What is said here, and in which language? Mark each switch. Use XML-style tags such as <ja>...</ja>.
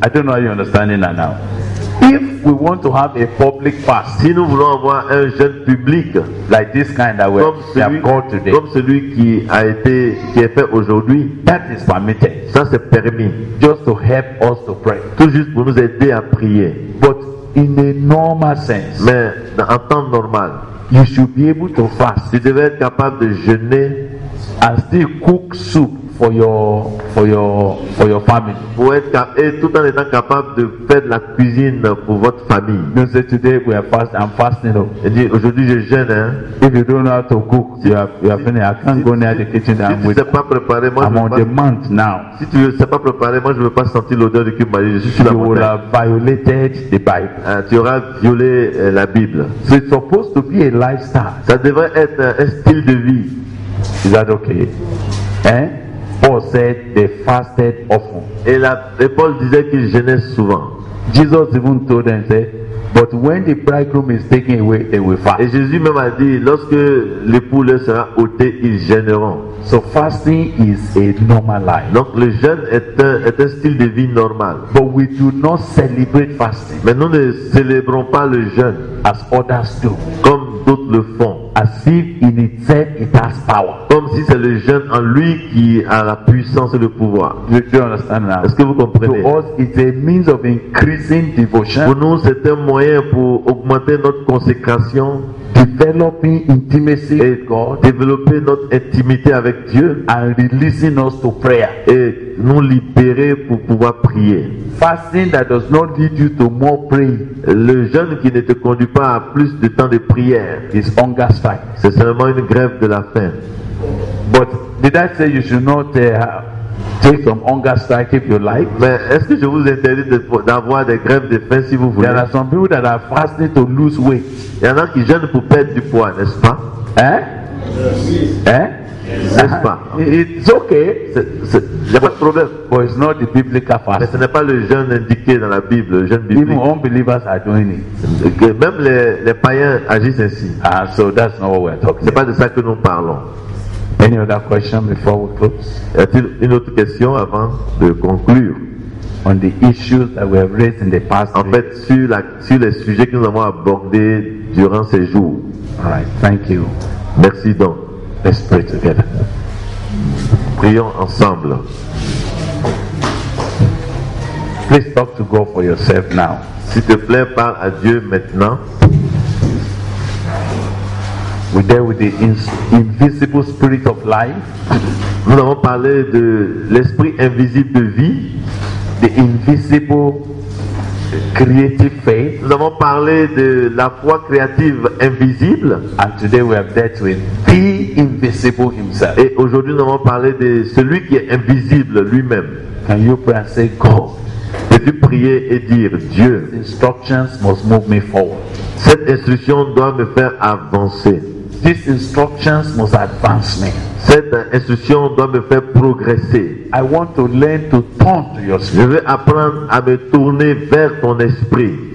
<en>I don't know how you understand it now. If we want to have a public fast,</en> <fr>si nous voulons avoir un jeûne public,</fr> <en>like this kind that we have called today,</en> <fr>comme celui qui est fait aujourd'hui,</fr> <en>that is permitted.</en> <fr>Ça c'est permis.</fr> <en>Just to help us to pray.</en> <fr>Tout juste pour nous aider à prier.</fr> <en>But in a normal sense,</en> <fr>mais en temps normal,</fr> <en>you should be able to fast.</en> <fr>Tu devais être capable de jeûner</fr> <en>and still cook soup. For your family.</en> <fr>Pour être tout en étant capable de faire de la cuisine pour votre famille.</fr> <en>You say today we are fast. I'm fasting.</en> <fr>Et dit aujourd'hui je jeûne. Hein?</fr> <en>If you don't know how to cook, you are finished. I can't go near the kitchen.</en> <fr>Si tu ne sais pas préparer, moi je ne veux pas sentir l'odeur du cuir marié. Je suis sur la</fr> <en>montagne. You will have violated the Bible.</en> <fr>Tu auras violé la Bible.</fr> <en>So it's supposed to be a lifestyle.</en> <fr>Ça devrait être un style de vie.</fr> <en>Is that okay? Hein? Paul said they fasted often.</en> <fr>Et Paul disait qu'ils jeûnaient souvent.</fr> <en>Jesus even told them, said, but when the bridegroom is taken away, they will fast.</en> <fr>Et Jésus même a dit, lorsque l'époux leur sera ôté, ils jeûneront.</fr> <en>So fasting is a normal life.</en> <fr>Donc le jeûne est un style de vie normal.</fr> <en>But we do not celebrate fasting.</en> <fr>Mais nous ne célébrons pas le jeûne.</fr> <en>As others do.</en> <fr>Comme d'autres le font.</fr> <en>As if in itself it has power.</en> <fr>Comme si c'est le jeûne en lui qui a la puissance et le pouvoir.</fr> <en>You understand now?</en> <fr>Est-ce que vous comprenez?</fr> <en>To us, it's a means of increasing devotion.</en> <fr>Pour nous, c'est un moyen pour augmenter notre consécration.</fr> <en>Developing intimacy with God.</en> <fr>Développer notre intimité avec Dieu.</fr> <en>And releasing us to prayer.</en> <fr>Et nous libérer pour pouvoir prier.</fr> <en>Fasting that does not lead you to more praying.</en> <fr>Le jeûne qui ne te conduit pas à plus de temps de prière.</fr> <en>Is hunger strike.</en> <fr>C'est seulement une grève de la faim.</fr> <en>But did I say you should not take some hunger strike if you like?</en> <fr>Mais est-ce que je vous interdis d'avoir des grèves de faim si vous voulez?</fr> <en>There are some people that are fasting to lose weight.</en> <fr>Il y en a qui jeûnent pour perdre du poids, n'est-ce pas? Hein? Hein? N'est-ce pas?</fr> <en>It's okay.</en> <fr>Il n'y a pas de problème.</fr> <en>But it's not the biblical fast.</en> <fr>Mais ce n'est pas le jeûne indiqué dans la Bible, le jeûne biblique.</fr> <en>Even unbelievers are doing it.</en> <fr>Okay. Même les païens agissent ainsi.</fr> <en>Ah, so that's not what we're talking.</en> <fr>C'est pas de ça que nous parlons.</fr> <en>Any other question before we close?</en> <fr>Y a-t-il une autre question avant de conclure?</fr> <en>On the issues that we have raised in the past.</en> <fr>En fait, sur les sujets que nous avons abordés durant ces jours.</fr> <en>All right, thank you.</en> <fr>Merci donc.</fr> <en>Let's pray together.</en> <fr>Prions ensemble.</fr> <en>Please talk to God for yourself now.</en> <fr>S'il te plaît, parle à Dieu maintenant.</fr> <en>We dealt with the invisible spirit of life.</en> <fr>Nous avons parlé de l'esprit invisible de vie.</fr> <en>The invisible creative faith.</en> <fr>Nous avons parlé de la foi créative invisible.</fr> <en>And today we have dealt with the invisible himself.</en> <fr>Et aujourd'hui nous avons parlé de celui qui est invisible lui-même.</fr> <en>Can you pray and say God?</en> <fr>Peux-tu prier et dire Dieu?</fr> <en>Instructions must move me forward.</en> <fr>Cette instruction doit me faire avancer.</fr> <en>These instructions must advance me.</en> <fr>Cette instruction doit me faire progresser.</fr> <en>I want to learn to turn to your spirit.</en> <fr>Je veux apprendre à me tourner vers ton esprit.</fr>